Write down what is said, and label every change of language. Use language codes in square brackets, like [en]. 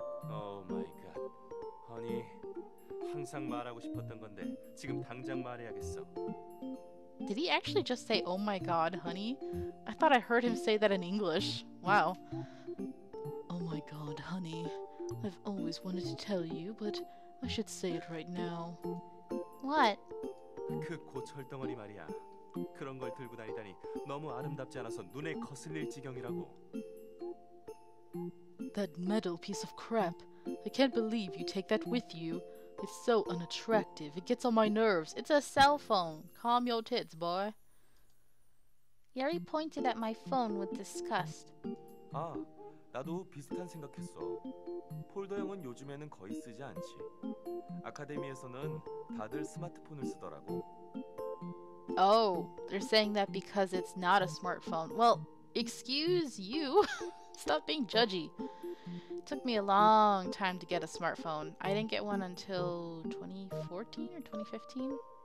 [en] Oh my god. Honey, [ko] 항상 말하고 싶었던 건데 지금 당장 말해야겠어. [en] Did he actually just say, oh my god, honey? I thought I heard him say that in English. Wow. Oh my god, honey. I've always wanted to tell you, but I should say it right now. What? [ko] 그 고철덩어리 말이야. 그런 걸 들고 다니다니 너무 아름답지 않아서 눈에 거슬릴 지경이라고. [en] That metal piece of crap. I can't believe you take that with you. It's so unattractive. It gets on my nerves. It's a cell phone. Calm your tits, boy. Yeri pointed at my phone with disgust. [ko] 아, 나도 비슷한 생각했어. 폴더 형은 요즘에는 거의 쓰지 않지. 아카데미에서는 다들 스마트폰을 쓰더라고. [en] Oh, they're saying that because it's not a smartphone. Well, excuse you. Stop being judgy. It took me a long time to get a smartphone. I didn't get one until 2014 or 2015.